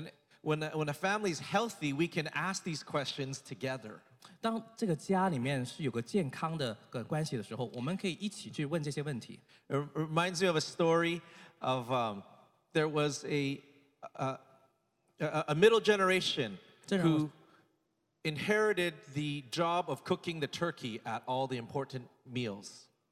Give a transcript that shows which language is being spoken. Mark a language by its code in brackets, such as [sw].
[en] And when a family is healthy, we can ask these questions together. [zh] 当这个家里面是有个健康的关系的时候，我们可以一起去问这些问题。 [en] It reminds me of a story. Of there was a middle generation who inherited the job of cooking the turkey at all the important meals.